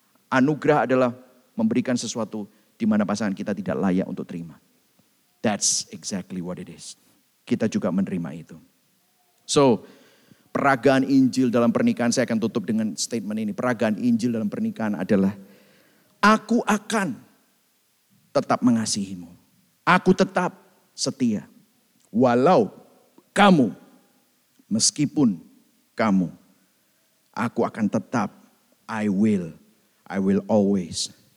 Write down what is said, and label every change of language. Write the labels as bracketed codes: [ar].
[id] Anugerah adalah memberikan sesuatu di mana pasangan kita tidak layak untuk terima. [en] That's exactly what it is. [id] Kita juga menerima itu. So, peragaan Injil dalam pernikahan, saya akan tutup dengan statement ini. Peragaan Injil dalam pernikahan adalah, aku akan tetap mengasihimu. Aku tetap setia. Walau kamu, meskipun kamu, aku akan tetap, [en] I will always.